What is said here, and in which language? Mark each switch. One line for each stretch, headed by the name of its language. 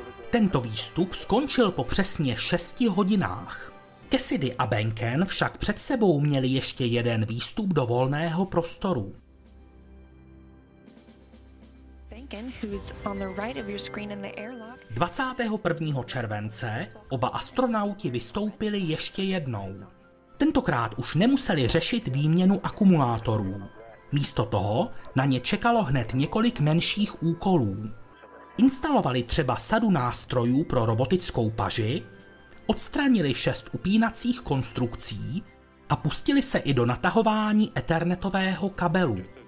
Czech: Tento výstup skončil po přesně 6 hodinách. Cassidy a Behnken však před sebou měli ještě jeden výstup do volného prostoru.
English: Behnken, who's on the right of your screen in the airlock.
Czech: 21. července oba astronauti vystoupili ještě jednou. Tentokrát už nemuseli řešit výměnu akumulátorů. Místo toho na ně čekalo hned několik menších úkolů. Instalovali třeba sadu nástrojů pro robotickou paži, odstranili 6 upínacích konstrukcí a pustili se i do natahování ethernetového kabelu.